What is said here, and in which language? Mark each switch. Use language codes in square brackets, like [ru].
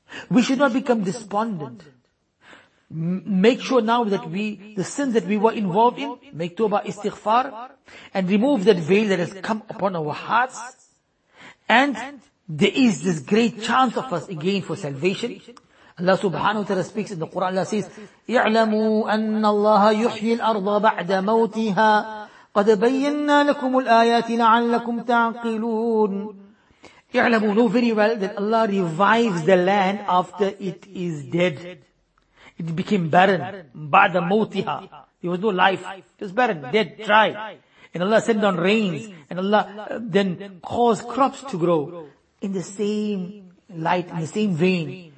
[en] We should not become despondent. Make sure now that we, the sin that we were involved in, make tawbah, istighfar, and remove that veil that has come upon our hearts. And there is this great chance of us again for salvation. Allah subhanahu wa ta'ala speaks in the Quran, Allah says, [ar] اِعْلَمُوا أَنَّ اللَّهَ يُحْيِي الْأَرْضَ بَعْدَ مَوْتِهَا قَدَ بَيَّنَّا لَكُمُ الْآيَاتِ لَعَلَّكُمْ تَعْقِلُونَ. [en] اِعْلَمُوا, know very well that Allah revives the land after it is dead. It became barren. [ar] بَعْدَ مَوْتِهَا. [en] There was no life. It was barren, dead, dry. And Allah sent down rains. And Allah then caused crops to grow. In the same light, in the same vein.